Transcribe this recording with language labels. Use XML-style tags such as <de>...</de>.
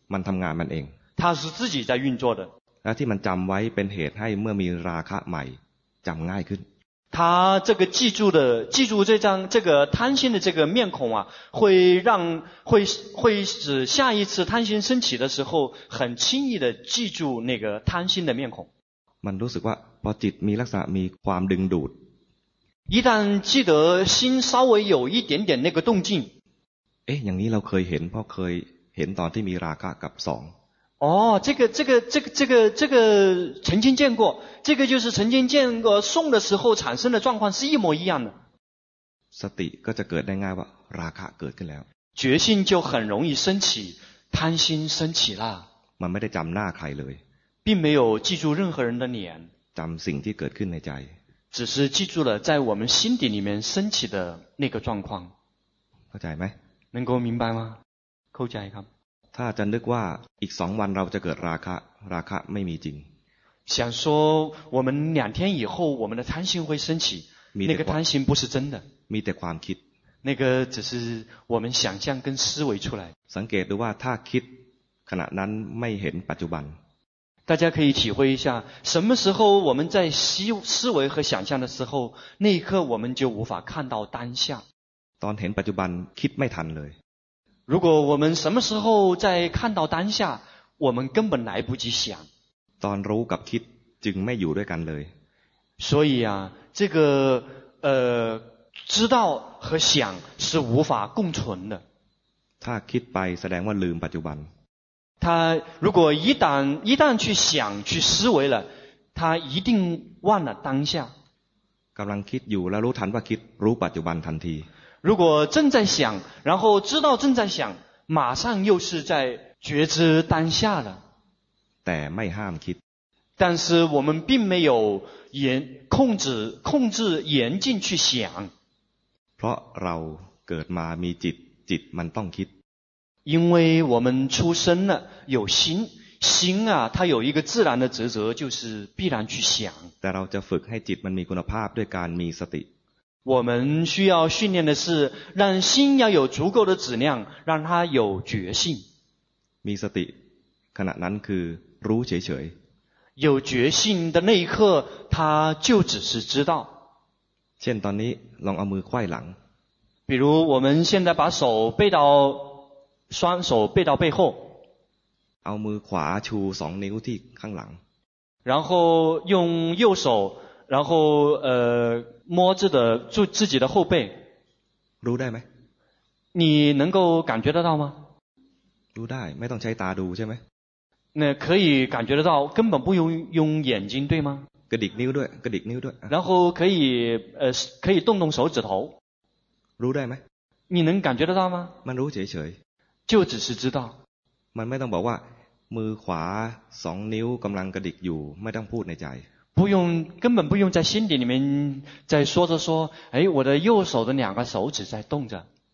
<th>มันทำงานมันเอง</th> <zh>它是自己在运作的</zh> <th>และที่มันจำไว้เป็นเหตุให้เมื่อมีราคะใหม่จำง่ายขึ้น</th> <zh>它这个记住这张这个贪心的这个面孔啊会让会使下一次贪心升起的时候很轻易的记住那个贪心的面孔</zh> <th>มันรู้สึกว่าพอจิตมีลักษณะมีความดึงดูด</th> <zh>一旦记得心稍微有一点点那个动静</zh> <th>เอ๊ะอย่างนี้เราเคยเห็นเพราะเคยเห็นตอนที่มีราคะกับสอง</th> <zh>อ๋อ这个曾经见过这个就是曾经见过送的时候产生的状况是一模一样的</zh> <th>สติก็จะเกิดได้ง่ายว่าราคะเกิดขึ้นแล้ว</th> <zh>决心就很容易升起贪心升起了</zh> <th>มันไม่ได้จำหน้าใครเลย</th> <zh>并没有记住任何人的脸</zh> <th>จำสิ่งที่เกิดขึ้นในใจ</th> <zh>只是记住了在我们心底里面升起的那个状况</zh> <th>เข้าใจไหม</th> <zh>能够明白吗</zh> <th>เข้าใจครับ ถ้าจะนึกว่าอีก2วันเราจะเกิดราคะราคะไม่มีจริง</th> <zh>想说我们两天以后我们的贪心会升起那个贪心不是真的</zh> <th>มีแต่ความคิด</th> <zh>那个只是我们想象跟思维出来</zh> <th>สังเกตดูว่าถ้าคิดขณะนั้นไม่เห็นปัจจุบัน</th> <zh>大家可以体会一下什么时候我们在思维和想象的时候那一刻我们就无法看到当下</zh> <th>ตอนเห็นปัจจุบันคิดไม่ทันเลย</th> <zh>如果我们什么时候在看到当下我们根本来不及想</zh> <th>ตอนรู้กับคิดจึงไม่อยู่ด้วยกันเลย</th> <zh>所以啊这个知道和想是无法共存的</zh> <th>ถ้าคิดไปแสดงว่าลืมปัจจุบัน</th> <zh>他如果一旦去想去思维了他一定忘了当下</zh> <th>กําลังคิดอยู่แล้วรู้ทันว่าคิดรู้ปัจจุบันทันที รู้ว่า</th> <zh>正在想然后知道正在想马上又是在觉知当下了</zh> <th>แต่ไม่ห้ามคิด</th> <zh>但是我们并没有控制严禁去想</zh> <th>เพราะเราเกิดมามีจิตจิตมันต้องคิด</th> <zh>因为我们出生了有心心啊它有一个自然的职责就是必然去想</zh> <th>แต่เราจะฝึกให้จิตมันมีคุณภาพด้วยการมีสติ</th> <zh>我们需要训练的是让心要有足够的质量让它有觉性</zh> <th>มีสติขณะนั้นคือรู้เฉย</th> <zh>ๆ有觉性的那一刻它就只是知道</zh> <th>ช่นตอนนี้ลองเอามือไขว้หลัง</th> <zh>比如我们现在把手背到双手背到背后</zh> <th>เอามือขวาชู2นิ้วที่ข้างหลัง</th> <zh>然后用右手然后摸着的住自己的后背</zh> <th>รู้ได้ไหม</th> <zh>你能够感觉得到吗</zh> <th>รู้ได้ไม่ต้องใช้ตาดูใช่ไหม</th> <zh>那可以感觉得到根本不用用眼睛对吗</zh> <th>กระดิกนิ้วด้วยกระดิกนิ้วด้วย</th> <zh>然后可以可以动动手指头</zh> <th>รู้ได้ไ</th> <zh>หม你能感觉得到吗</zh> <th>มันรู้เฉย</th> <zh>ๆ就只是知道</zh> <th>มันไม่ต้องบอกว่ามือขวา2นิ้วกำลังกระดิกอยู่ไม่ต้องพูดในใจ</th> <zh>不用根本不用在心底里面在说着说哎我的右手的两个手指在动着</zh>